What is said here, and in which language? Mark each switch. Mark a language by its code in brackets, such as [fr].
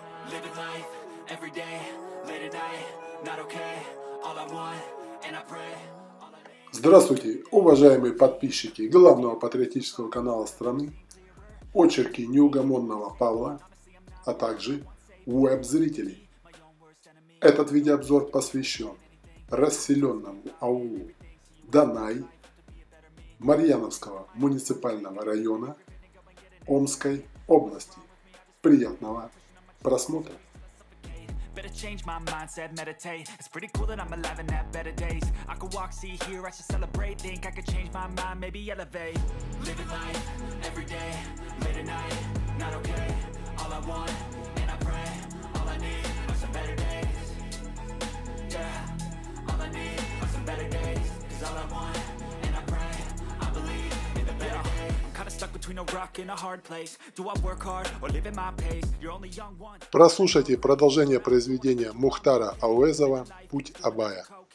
[en] living life every day, late at night, not okay, all I want, and I pray. [ru] Здравствуйте, уважаемые подписчики главного патриотического канала страны, очерки неугомонного Павла, а также веб-зрители. Этот видеообзор посвящен расселенному аулу Данай Марьяновского муниципального района Омской области. Приятного просмотра! [en] Better change my mindset, meditate. It's pretty cool that I'm alive and have better days. I could walk, see, hear, I should celebrate. Think I could change my mind, maybe elevate. Living life, every day, late at night, not okay. All I want, and I pray, all I need are some better days. Yeah, all I need are some better days. Cause all I want, and I pray, I believe in the better days. I'm kinda stuck between a rock and a hard place. Do I work hard or live at my pace? [ru] Прослушайте продолжение произведения Мухтара Ауэзова «Путь Абая».